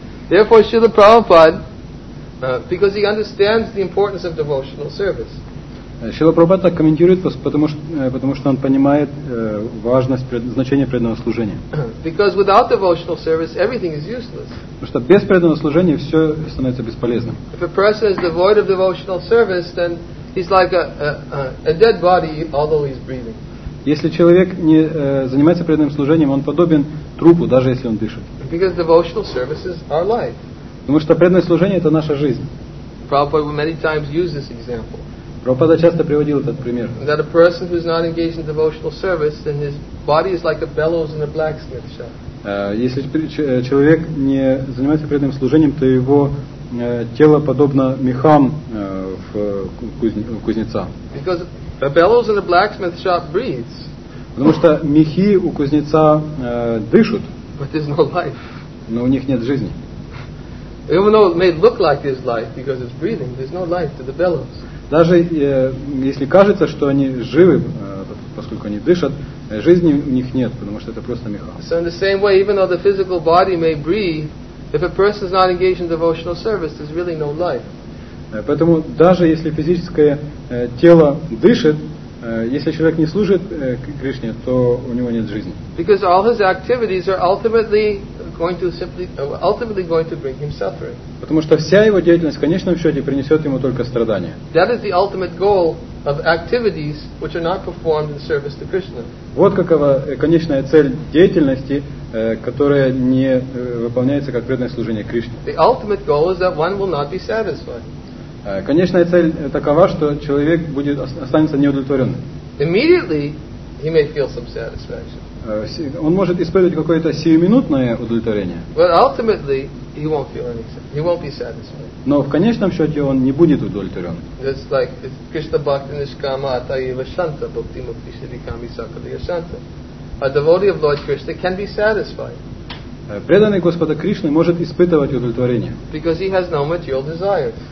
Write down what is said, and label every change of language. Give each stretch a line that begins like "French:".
English: Therefore, Srila Prabhupada, because he understands the importance of devotional service.
Russian: Шрила Прабхупада так комментирует, потому что он понимает важность, значение преданного служения.
English: Because without devotional service, everything is useless.
Russian: Потому что без преданного служения все становится бесполезным.
English: If a person is devoid of devotional service, then he's like a dead body, although he's breathing.
Russian: Если человек не занимается преданным служением, он подобен трупу, даже если он дышит.
English: Because devotional service is our life.
Russian: Потому что преданное служение — это наша жизнь.
English: Prabhupada many times used this example.
Russian: Прабхупада часто приводил этот пример.
English: That a person who is not engaged in devotional service, then his body is like a bellows in a blacksmith shop.
Russian: Если человек не занимается преданным служением, то его тело подобно мехам в кузнеца.
English: Because a bellows in a blacksmith shop breathes.
Russian: Потому что мехи у кузнеца дышат.
English: But there's no life.
Russian: Но у них нет жизни.
English: Even though it may look like there's life because it's breathing, there's no life to the bellows.
Russian: Даже если кажется, что они живы, поскольку они дышат, жизни у них нет, потому что это просто меха.
English: So in the same way, even though the physical body may breathe, if a person is not engaged in devotional service, there's really no life.
Russian: Поэтому даже если физическое тело дышит, если человек не служит Кришне, то у него нет жизни.
English: Because all his activities are ultimately going to simply ultimately going to bring him suffering.
Russian: Потому что вся его деятельность в конечном счете принесет ему только страдания.
English: That is the ultimate goal of activities which are not performed in service to Krishna.
Russian: Вот какова конечная цель деятельности, которая не выполняется как преданное служение Кришне.
English: The ultimate goal is that one will not be satisfied.
Russian: Конечная цель такова, что человек будет останется неудовлетворенным.
English: Immediately he may feel some satisfaction.
Russian: Он может испытывать какое-то сиюминутное удовлетворение.
English: But ultimately he won't feel any, he won't be satisfied.
Russian: Но в конечном счете он не будет удовлетворен.
English: It's like
Sanskrit: Krishna Bhakti Nishkama Atayeva Shanta Bhakti Mukti Shrikami Sakaliya Shanta.
English: A devotee of Lord Krishna can be satisfied.
Russian: Преданный Господа Кришны может испытывать удовлетворение.
English: Because he has no material desires.